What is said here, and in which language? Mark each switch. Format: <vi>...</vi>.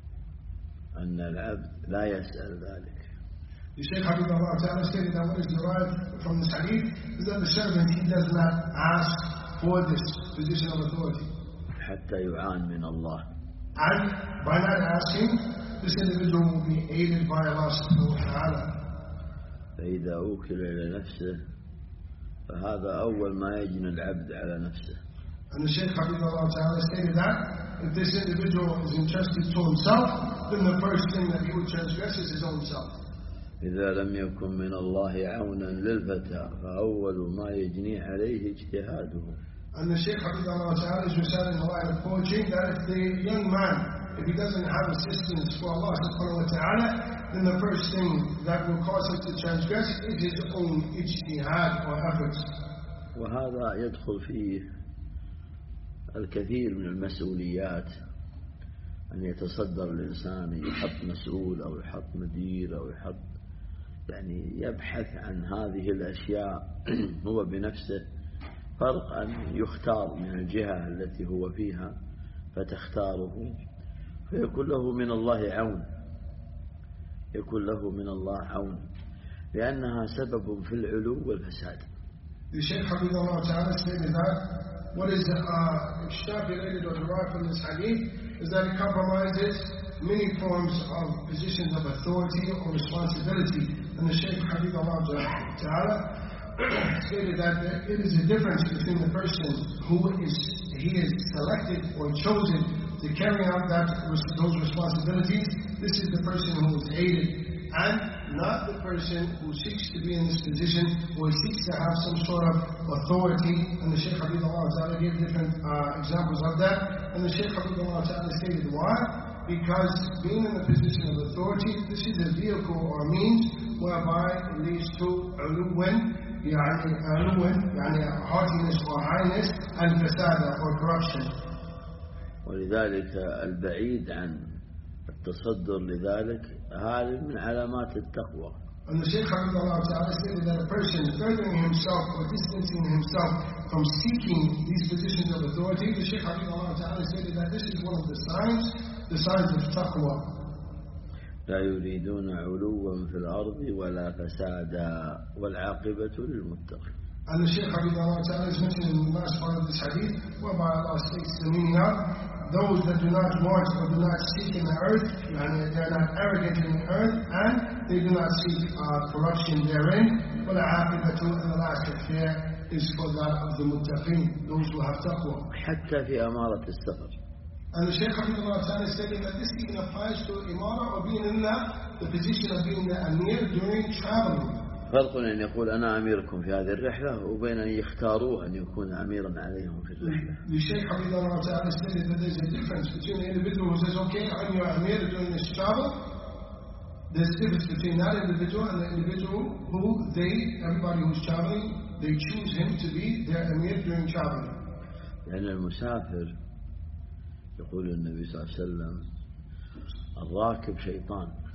<ar>هذا هو معنى أن العبد لا يسأل ذلك.</ar> <en>The Shaykh Habibullah Ta'ala stated that what is derived from this hadith is that the servant, he does not ask for this position of authority.</en> <ar>حتى يعان من الله.</ar> <en>And by not asking, this individual will be aided by Allah subhanahu wa ta'ala.</en> <ar>فإذا أوكل إلى نفسه فهذا أول ما يجن العبد على نفسه.</ar> <en>And the Shaykh Habibullah Ta'ala stated that if this individual is entrusted to himself, then the first thing that he would transgress is his own self.</en> <ar>إذا لم يكن من الله عونا للفتى فأول ما يجني عليه اجتهاده.</ar> <en>And the Sheikh Hafidhullah Ta'ala is reciting the line of coaching that if the young man, if he doesn't have assistance for Allah subhanahu wa ta'ala, then the first thing that will cause him to transgress is his own ijtihad or efforts.</en> <ar>وهذا يدخل فيه الكثير من المسؤوليات. أن يتصدر الإنسان يحط مسؤول أو يحط مدير أو يحط يعني يبحث عن هذه الأشياء هو بنفسه فرق أن يختار من الجهة التي هو فيها فتختاره فيكون له من الله عون يكون له من الله عون لأنها سبب في العلو والفساد.</ar> <en>The Sheikh</en> <ar>حفظه الله تعالى</ar> <en>said that what is extrapolated or derived from this hadith is that it compromises many forms of positions of authority or responsibility. And the Shaykh Khalid Allah Ta'ala stated that it is a difference between the person who is he is selected or chosen to carry out that those responsibilities. This is the person who is aided, and not the person who seeks to be in this position or seeks to have some sort of authority. And the Shaykh Khalid Allah Ta'ala gave different examples of that. And the Shaykh Khalid Allah Ta'ala stated why? Because being in the position of authority, this is a vehicle or a means whereby it leads to ulwin, يعني haughtiness or highness, and fasad or corruption.</en> <ar>ولذلك البعيد عن التصدر لذلك هذا من علامات التقوى.</ar> <en>And the Shaykh</en> <ar>حفظه الله تعالى</ar> <en>stated that a person furthering himself or distancing himself from seeking these positions of authority, the Shaykh حفظه الله تعالى stated that this is one of the signs of taqwa.</en> <ar>لا يريدون علوا في الأرض ولا فسادا والعاقبة للمتقين.</ar> <en>And the Shaykh حفظه الله تعالى is mentioning in the last part of this hadith whereby Allah states the meaning of those that do not want or do not seek in the earth, and they are not arrogant in the earth, and they do not seek corruption therein. But after the truth and the last affair is for that of the muttaqin, those who have taqwa.</en> <ar>حتى في أمارة السفر.</ar> <en>And the Shaykh Hafidhullah Ta'ala said that this even applies to imara or being in the position of being the amir during traveling.</en> <ar>فرق أن يقول أنا أميركم في هذه الرحلة وبين أن يختاروا أن يكون أميرا عليهم في الرحلة.</ar> <en>The Shaykh Hafidhullah Ta'ala said that there's a difference between the individual who says, okay, I'm your Amir during this travel. There's a difference between that individual and the individual who everybody who's traveling, they choose him to be their Amir during traveling.</en> <ar>لأن المسافر يقول النبي صلى الله عليه وسلم الراكب شيطان.</ar>